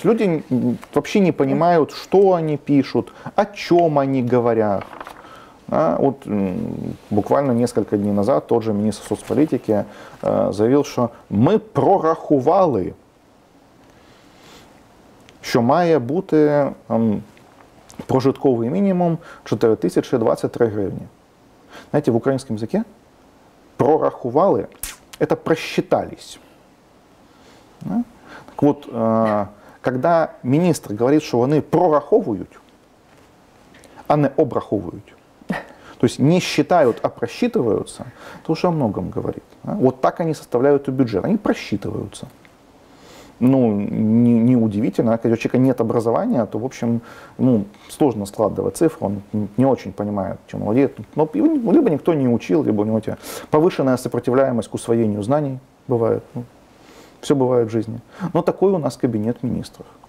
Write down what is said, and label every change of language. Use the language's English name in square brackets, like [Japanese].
[Russian] Люди вообще не понимают, что они пишут, о чем они говорят. Вот буквально несколько дней назад тот же министр соцполитики заявил, что мы прорахували, що має бути прожитковий мінімум 4023 гривні. [Ukrainian] Знаєте, в українському язикі прорахували – це просчитались. Да? Так от, коли міністр говорить, що вони прораховують, а не обраховують, тобто не вважають, а просчитуються, то вже о многом говорить. Да? От так вони составляють бюджет, вони просчитуються. [Russian] Ну, не удивительно, когда у человека нет образования, то, в общем, ну, сложно складывать цифры, он не очень понимает, чем владеет. Но либо никто не учил, либо у него повышенная сопротивляемость к усвоению знаний бывает. Ну, все бывает в жизни. Но такой у нас кабинет министров.